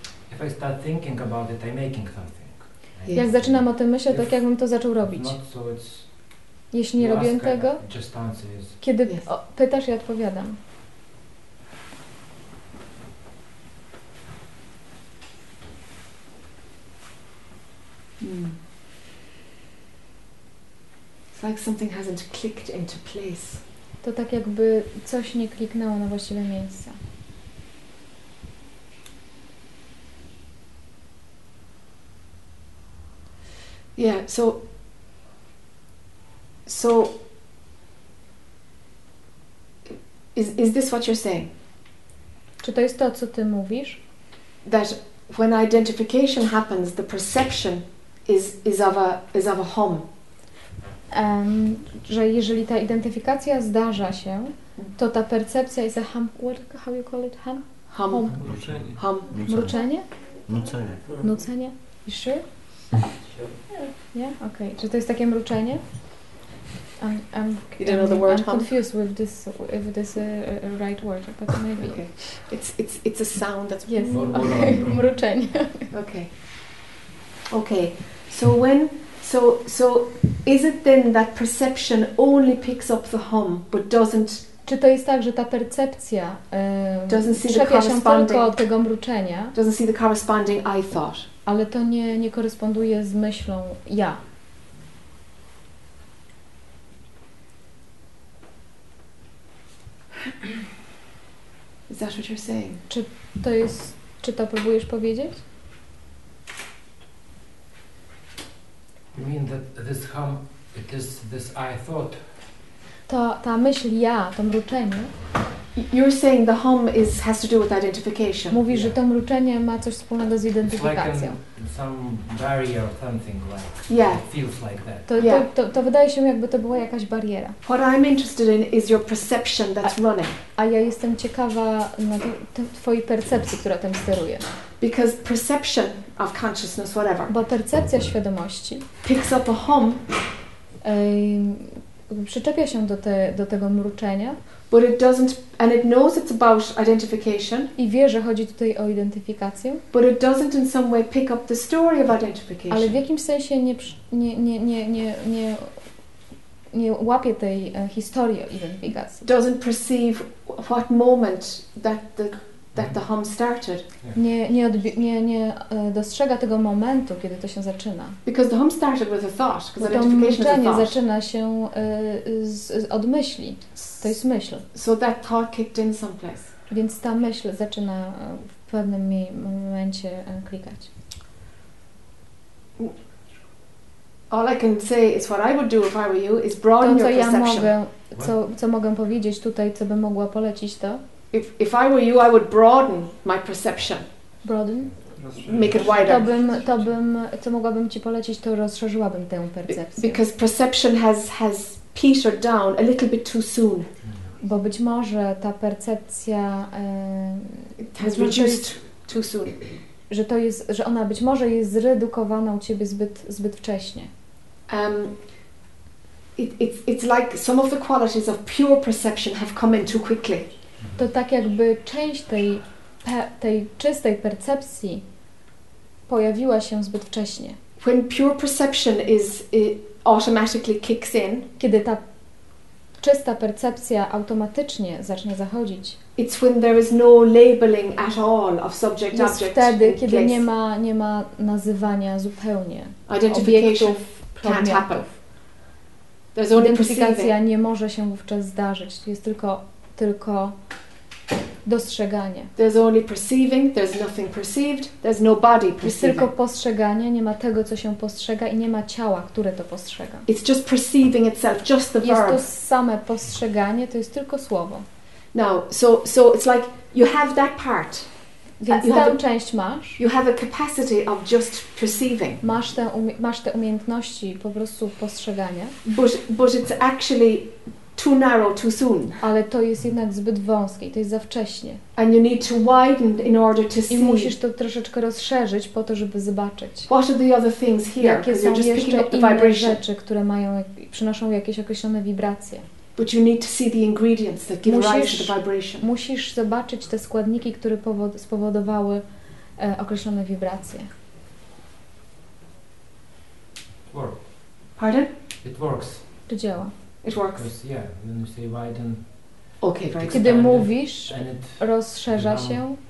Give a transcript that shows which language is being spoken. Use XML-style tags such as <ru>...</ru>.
<en>If I start thinking about it, I'm making something. Yes.</en> <pl>Jak zaczynam o tym myśleć, tak jakbym to zaczął robić.</pl> <en>Not, so it's,</en> <pl>jeśli nie robię</pl> <en>ask,</en> <pl>tego,</pl> <en>just answer is,</en> <pl>kiedy</pl> <en>yes.</en> <pl>Pytasz, ja odpowiadam.</pl> <en>It's like something hasn't clicked into place.</en> <pl>To tak jakby coś nie kliknęło na właściwe miejsce.</pl> <en>Yeah, so is this what you're saying?</en> <pl>Czy to jest to, co ty mówisz?</pl> <en>That when identification happens, the perception is of a home.</en> <pl>Że jeżeli ta identyfikacja zdarza się, to ta percepcja jest</pl> <en>a hum, how you call it? Hum? Hum. Hum. Hum.</en> <pl>Mruczenie? Nucenie. Nucenie?</pl> <en>You sure? Yeah? Okay.</en> <pl>Czy to jest takie mruczenie?</pl> <en>I'm confused with this, if this is a right word, but maybe. Okay. It's a sound that's... Yes. Okay.</en> <pl>Mruczenie.</pl> <en>Okay. Okay. So when... So is it then that perception only picks up the hum but doesn't...</en> <pl>Czy to jest tak, że ta percepcja czepia się tylko od tego mruczenia?</pl> <en>Doesn't see the corresponding I thought.</en> <pl>Ale to nie koresponduje z myślą ja.</pl> <en>Is that what you're saying?</en> <pl>Czy to próbujesz powiedzieć?</pl> <en>You mean that this hum, it is this I thought.</en> <pl>Ta myśl ja, to mruczenie.</pl> <en>You're saying the hum is has to do with identification.</en> <pl>Mówisz, że to mruczenie ma coś wspólnego z identyfikacją.</pl> <en>Some barrier or something like. Yeah. It feels like that.</en> <pl>To wydaje się, jakby to była jakaś bariera.</pl> <en>What I'm interested in is your perception that's running.</en> <pl>A ja jestem ciekawa na twojej percepcji, która tym steruje.</pl> <en>Because perception of consciousness, whatever.</en> <pl>Bo percepcja świadomości.</pl> <en>Picks up a hum.</en> <pl>Przyczepia się do tego mruczenia.</pl> <en>But it doesn't, and it knows it's about identification.</en> <pl>I wie, że chodzi tutaj o identyfikację.</pl> <en>But it doesn't in some way pick up the story of identification.</en> <pl>Ale w jakimś sensie nie łapie tej historii identyfikacji.</pl> <en>Doesn't perceive what moment that the that the harm started.</en> <pl>Nie dostrzega tego momentu, kiedy to się zaczyna.</pl> <en>Because the harm started with a thought, because identification is a thought.</en> <pl>Zaczyna się od myśli. To jest myśl.</pl> <en>So that thought kicked in someplace.</en> <pl>Więc ta myśl zaczyna w pewnym momencie klikać.</pl> <en>All I can say is what I would do if I were you is broaden</en> <pl>to,</pl> <en>your perception.</en> <pl>Co mogę powiedzieć tutaj, co bym mogła polecić to?</pl> <en>If I were you, I would broaden my perception. Broaden? Make it wider.</en> <pl>To bym, co mogłabym ci polecić, to rozszerzyłabym tę percepcję.</pl> <en>Because perception has petered down a little bit too soon.</en> <pl>Bo być może ta percepcja</pl> <en>has reduced too soon.</en> <pl>Że ona być może jest zredukowana u ciebie zbyt wcześnie.</pl> <en>It's like some of the qualities of pure perception have come in too quickly.</en> <pl>To tak jakby część tej czystej percepcji pojawiła się zbyt wcześnie.</pl> <en>When pure perception is it automatically kicks in.</en> <pl>Kiedy ta czysta percepcja automatycznie zacznie zachodzić.</pl> <en>It's when there is no labeling at all of subject,</en> <pl>jest</pl> <en>object,</en> <pl>wtedy, kiedy</pl> <en>place.</en> <pl>nie ma nazywania zupełnie obiektów, przedmiotów.</pl> <en>There's only perceiving.</en> <pl>Identyfikacja nie może się wówczas zdarzyć. Jest tylko dostrzeganie.</pl> <en>There's only perceiving, there's nothing perceived, there's no body perceiving.</en> <pl>Jest tylko postrzeganie, nie ma tego, co się postrzega i nie ma ciała, które to postrzega.</pl> <en>It's just perceiving itself, just the verb.</en> <pl>Jest to same postrzeganie, to jest tylko słowo.</pl> <en>Now, so it's like you have that part.</en> <pl>Więc tę część masz.</pl> <en>You have a capacity of just perceiving.</en> <pl>Masz te umiejętności po prostu postrzegania.</pl> <en>But it's actually too narrow, too soon.</en> <pl>Ale to jest jednak zbyt wąskie, to jest za wcześnie.</pl> <en>And you need to widen in order to</en> <pl>I</pl> <en>see.</en> <pl>I musisz to troszeczkę rozszerzyć po to, żeby zobaczyć.</pl> <en>What are the other things here?</en> <pl>Jakie są jeszcze inne rzeczy, które przynoszą jakieś określone wibracje?</pl> <en>But you need to see the ingredients that give rise to the vibration.</en> <pl>Musisz zobaczyć te składniki, które spowodowały określone wibracje.</pl> <en>It works. Pardon? It works.</en> <pl>To działa.</pl> <en>It works. Because, yeah, when you say widen. Okay, very good.</en> <pl>Kiedy mówisz, rozszerza się.</pl>